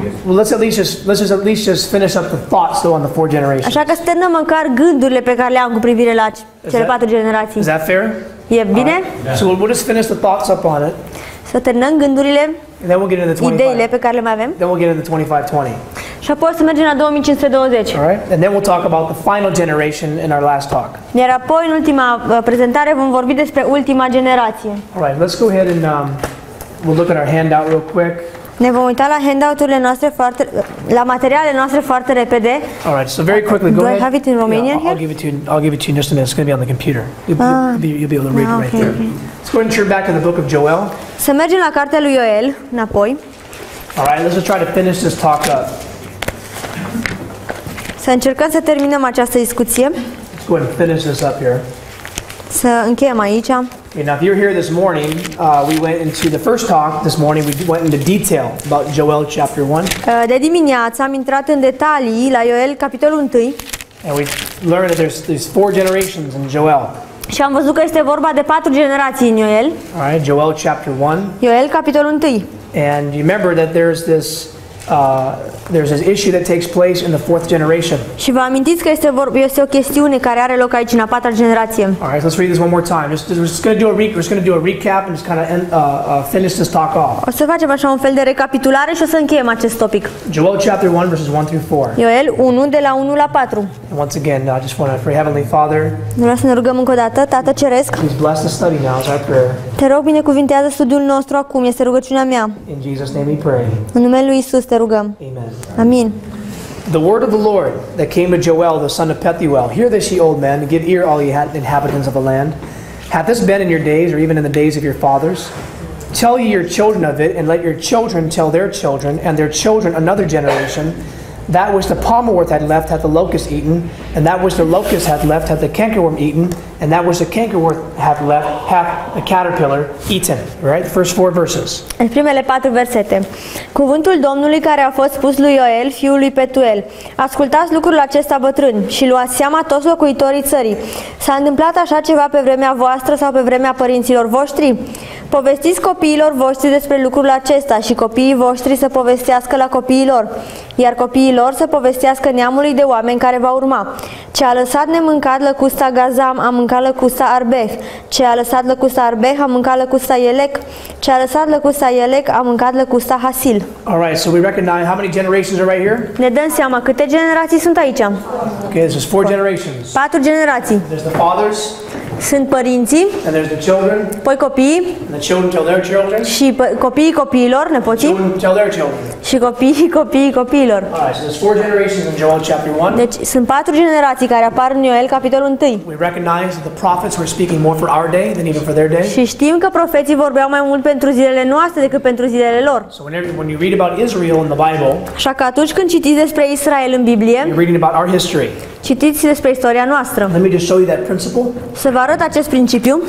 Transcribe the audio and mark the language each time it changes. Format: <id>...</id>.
<en>Well, let's at least just finish up the thoughts though on the four generations.</en> <ro>Așa că stăm măcar gândurile pe care le-am cu privire la cele patru generații.</ro> <en>Is that fair?</en> <ro>E bine?</ro> <en>So we'll just finish the thoughts up on it.</en> <ro>Să terminăm gândurile.</ro> <en>And then we'll get into the 25.</en> <ro>Ideile pe care le mai avem.</ro> <en>Then we'll get into the 2520.</en> <ro>Și apoi să mergem la 2520.</ro> <en>All right. And then we'll talk about the final generation in our last talk.</en> <ro>Iar apoi în ultima prezentare vom vorbi despre ultima generație.</ro> <en>All right. Let's go ahead and we'll look at our handout real quick.</en> <ro>Ne vom uita la handout-urile noastre foarte la materialele noastre foarte repede.</ro> <en>All right, so very quickly, go Do ahead. Do I have it in Romanian yeah, here? I'll give it to you in just a minute. It's going to be on the computer. You'll be able to read it right there. Let's go ahead and turn back to the book of Joel.</en> <ro>Să mergem la cartea lui Ioel, înapoi.</ro> <en>All right, let's just try to finish this talk up.</en> <ro>Să încercăm să terminăm această discuție.</ro> <en>Let's go ahead and finish this up here.</en> <ro>Să încheiem aici.</ro> <en>Okay, now if you're here this morning, we went into the first talk this morning, we went into detail about Joel chapter 1.</en> <ro>De dimineață am intrat în detalii la Ioel capitolul 1.</ro> <en>And we learned that there's four generations in Joel.</en> <ro>Și am văzut că este vorba de patru generații în Ioel.</ro> <en>All right, Joel chapter 1.</en> <ro>Ioel capitolul 1.</ro> <en>And you remember that there's this there's this issue that takes place in the fourth generation.</en> <ro>Și vă amintiți că este o chestiune care are loc aici în a patra generație.</ro> <en>All right, so let's read this one more time. We're just going to do a recap and just kind of finish this talk off.</en> <ro>O să facem așa un fel de recapitulare și o să încheiem acest topic.</ro> <en>Joel chapter 1 verses 1 through 4.</en> <ro>Joel 1 de la 1 la 4.</ro> <en>And once again, I just want to pray, Heavenly Father.</en> <ro>Vreau să ne rugăm încă o dată, Tată Ceresc.</ro> <en>Please bless the study now, is our prayer.</en> <ro>Te rog, binecuvintează studiul nostru acum, este rugăciunea mea.</ro> <en>In Jesus' name we pray.</en> <ro>În numele lui Isus te rugăm.</ro> <en>Amen.</en> <ro>Amin.</ro> <en>The word of the Lord that came to Joel, the son of Pethuel. Hear this, ye old men, give ear, all ye inhabitants of the land. Hath this been in your days, or even in the days of your fathers? Tell ye your children of it, and let your children tell their children, and their children another generation. That which the palmerwort had left hath the locust eaten, and that which the locust hath left hath the cankerworm eaten, and that which the cankerworm hath left hath the caterpillar eaten. Right? First four verses.</en> <ro>În primele patru versete. Cuvântul Domnului care a fost spus lui Ioel, fiul lui Petuel. Ascultați lucrul acesta, bătrân, și luați seama toți locuitorii țării. S-a întâmplat așa ceva pe vremea voastră sau pe vremea părinților voștri? Povestiți copiilor voștri despre lucrul acesta și copiii voștri să povestească la copiilor, iar copiii lor să povestească neamului de oameni care va urma. Ce a lăsat nemâncat lăcusta Gazam, a mâncat lăcusta Arbeh. Ce a lăsat lăcusta Arbeh, a mâncat lăcusta Elec. Ce a lăsat lăcusta Elec, a mâncat lăcusta Hasil.</ro> <en>All right, so we recognize how many generations are right here?</en> <ro>Ne dăm seama câte generații sunt aici.</ro> <en>Okay, this is four generations.</en> <ro>Patru generații.</ro> <en>There's the fathers.</en> <ro>Sunt părinții.</ro> <en>And there's the children.</en> <ro>Poi copiii.</ro> <en>And the children tell their children.</en> <ro>Și copiii copiilor, nepoții.</ro> <en>The children tell their children.</en> <ro>Și copiii copiii copiilor.</ro> <en>All right, so there's four generations in Joel chapter 1.</en> <ro>Deci sunt patru generații care apar în Ioel capitolul 1.</ro> <en>We recognize that the prophets were speaking more for our day than even for their day.</en> <ro>Și știm că profeții vorbeau mai mult pentru zilele noastre decât pentru zilele lor.</ro> <en>So when you read about Israel in the Bible.</en> <ro>Așa că atunci când citiți despre Israel în Biblie.</ro> <en>You're reading about our history.</en> <ro>Citiți despre istoria noastră.</ro> <en>Let me just show you that principle.</en> <ro>Să vă arăt acest principiu.</ro>